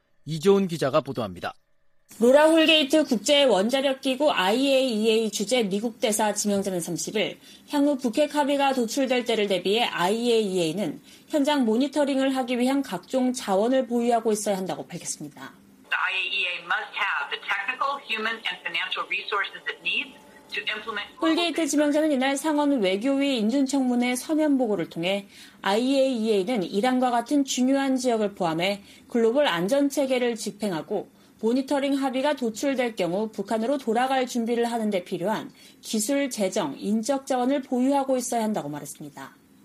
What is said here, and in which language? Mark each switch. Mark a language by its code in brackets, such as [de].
[ko] 이재훈 기자가 보도합니다. 로라 홀게이트 국제원자력기구 IAEA 주재 미국 대사 지명자는 30일 향후 북핵 합의가 도출될 때를 대비해 IAEA는 현장 모니터링을 하기 위한 각종 자원을 보유하고 있어야 한다고 밝혔습니다. [en] IAEA must have the technical, human and financial resources it needs. [ko] 홀게이트 지명자는 이날 상원 외교위 인준청문회 서면 보고를 통해 IAEA는 이란과 같은 중요한 지역을 포함해 글로벌 안전체계를 집행하고 모니터링 합의가 도출될 경우 북한으로 돌아갈 준비를 하는 데 필요한 기술, 재정, 인적 자원을 보유하고 있어야 한다고 말했습니다.